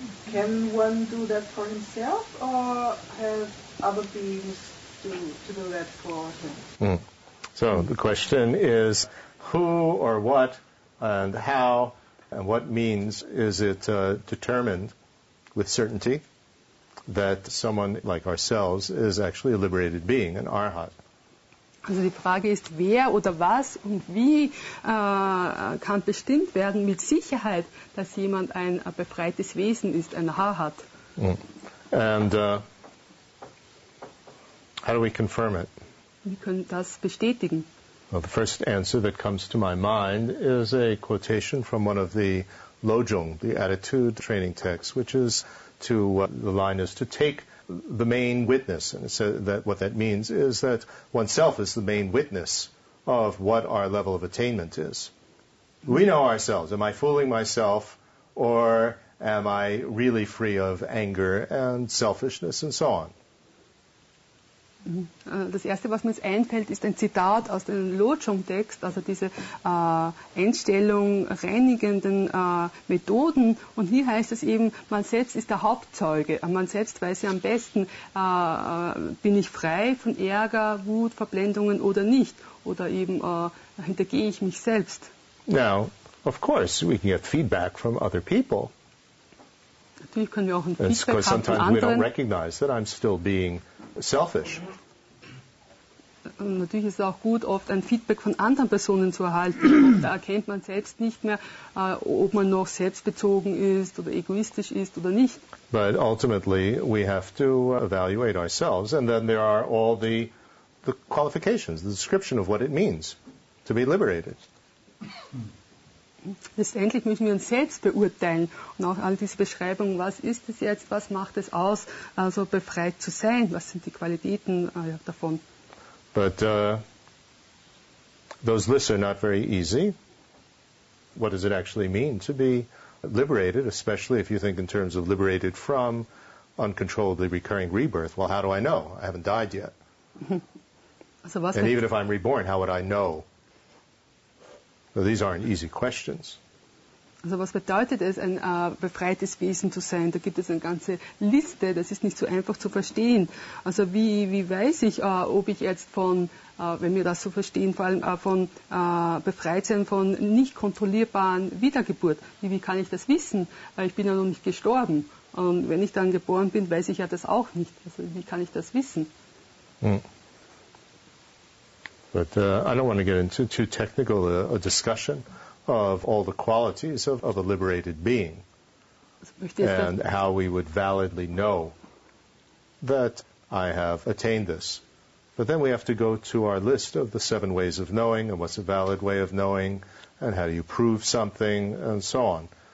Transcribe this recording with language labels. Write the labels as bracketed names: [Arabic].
[English] Can one do that for himself, or have other beings to do that for him? So the question is, who or what and how and what means is it determined with certainty that someone like ourselves is actually a liberated being, an arhat? [German] Also die Frage ist, wer oder was und wie kann bestimmt werden mit Sicherheit, dass jemand ein befreites Wesen ist, ein Arhat. [English] And how do we confirm it? [German] Wir können das bestätigen. [English] Well, the first answer that comes to my mind is a quotation from one of the Lojong, the attitude training text, which is the line is to take the main witness, and so that what that means is that oneself is the main witness of what our level of attainment is. We know ourselves. Am I fooling myself, or am I really free of anger and selfishness and so on? [German] Das erste, was mir jetzt einfällt, ist ein Zitat aus dem Lojong-Text, also diese Einstellung reinigenden Methoden. Und hier heißt es eben, man selbst ist der Hauptzeuge. Man selbst weiß ja am besten, bin ich frei von Ärger, Wut, Verblendungen oder nicht? Oder eben hintergehe ich mich selbst? [English] Now, of course, we can get feedback from other people. [German] Natürlich können wir auch ein Feedback haben von anderen. [English] Sometimes we don't recognize that I'm still being selfish. [German] Natürlich ist es auch gut, oft ein Feedback von anderen Personen zu erhalten. Da erkennt man selbst nicht mehr, ob man noch selbstbezogen ist oder egoistisch ist oder nicht. [English] But ultimately we have to evaluate ourselves, and then there are all the qualifications, the description of what it means to be liberated. [German] Letztendlich müssen wir uns selbst beurteilen und auch all diese Beschreibungen, was ist es jetzt, was macht es aus, also befreit zu sein, was sind die Qualitäten davon. [English] But those lists are not very easy. What does it actually mean to be liberated, especially if you think in terms of liberated from uncontrollably recurring rebirth? Well, how do I know? I haven't died yet. [German] Also, was [English] and even if I'm reborn, how would I know? Well, these aren't easy questions. [German] Also was bedeutet es, ein befreites Wesen zu sein? Da gibt es eine ganze Liste, das ist nicht so einfach zu verstehen. Also wie weiß ich, ob ich jetzt von, wenn wir das so verstehen, vor allem von befreit sein von nicht kontrollierbaren Wiedergeburt? Wie kann ich das wissen? Ich bin ja noch nicht gestorben. Und wenn ich dann geboren bin, weiß ich ja das auch nicht. Also wie kann ich das wissen? [English] But I don't want to get into too technical a discussion of all the qualities of a liberated being and how we would validly know that I have attained this. But then we have to go to our list of the seven ways of knowing and what's a valid way of knowing and how do you prove something and so on.